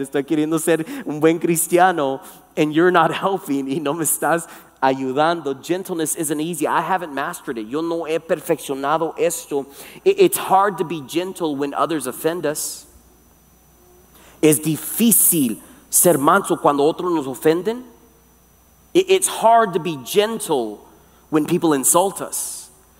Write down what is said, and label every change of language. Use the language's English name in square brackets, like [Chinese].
[Spanish] Estoy queriendo ser un buen cristiano. [English] And you're not helping. [Spanish] Y no me estás ayudando. [English] Gentleness isn't easy. I haven't mastered it. [Spanish] Yo no he perfeccionado esto. [English] It's hard to be gentle when others offend us. [Spanish] Es difícil ser manso cuando otros nos ofenden. [English] It's hard to be gentle when people insult us.